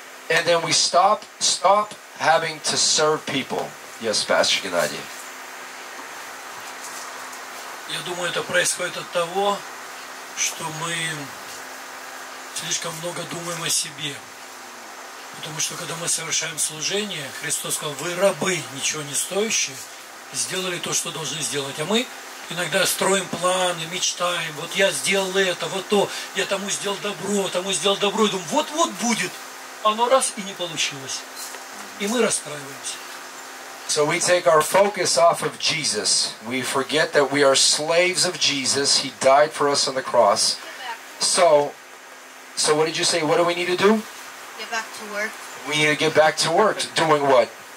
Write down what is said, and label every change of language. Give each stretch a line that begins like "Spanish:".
English: And then we stop having to serve people. Yes, Pastor Gennady.
Russian: Я думаю, это происходит от того, что мы слишком много думаем о себе. Потому что, когда мы совершаем служение, Христос сказал, вы рабы, ничего не стоящие, сделали то, что должны сделать. А мы иногда строим планы, мечтаем, вот я сделал это, вот то, я тому сделал добро, и думаю, вот-вот будет. Оно раз и не получилось. И мы расстраиваемся.
English: So we take our focus off of Jesus. We forget that we are slaves of Jesus. He died for us on the cross. So what did you say? What do we need to do? Get back to work. We need to get back to work. Doing what?